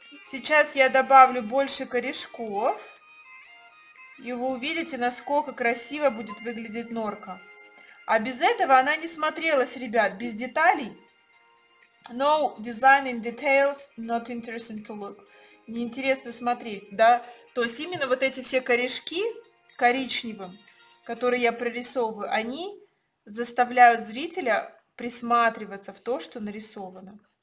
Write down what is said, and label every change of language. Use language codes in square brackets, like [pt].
[ru] Сейчас я добавлю больше корешков, и вы увидите, насколько красиво будет выглядеть норка. А без этого она не смотрелась, ребят, без деталей. [en] No design in details, not interesting to look. [ru] Неинтересно смотреть, да? То есть именно вот эти все корешки коричневым, которые я прорисовываю, они заставляют зрителя присматриваться в то, что нарисовано.